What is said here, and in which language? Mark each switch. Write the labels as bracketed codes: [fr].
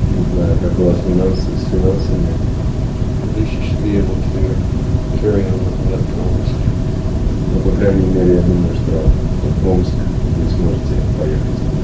[ru] не знаю, как у вас финансы, с финансами. [en] At least you should be able to carry on with that promise. [ru] Ну, по крайней мере, я думаю, что в Омск вы сможете поехать.